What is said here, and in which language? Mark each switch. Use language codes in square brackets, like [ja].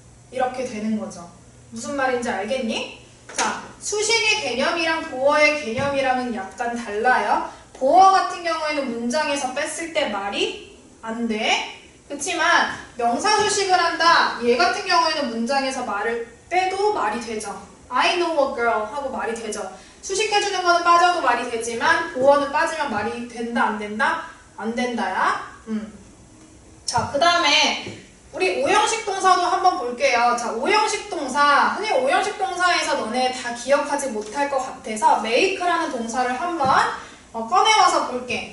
[ko] 이렇게 되는 거죠. 무슨 말인지 알겠니? 자, 수식의 개념이랑 보어의 개념이랑은 약간 달라요. 보어 같은 경우에는 문장에서 뺐을 때 말이 안 돼. 그렇지만 명사 수식을 한다. 얘 같은 경우에는 문장에서 말을 빼도 말이 되죠. [en] I know a girl [ko] 하고 말이 되죠. 수식해주는 거는 빠져도 말이 되지만 보어는 빠지면 말이 된다 안 된다? 안 된다야. 자, 그 다음에 우리 오형식 동사도 한번 볼게요. 자, 오형식 동사. 흔히 오형식 동사에서 너네 다 기억하지 못할 것 같아서 make라는 동사를 한번 꺼내와서 볼게.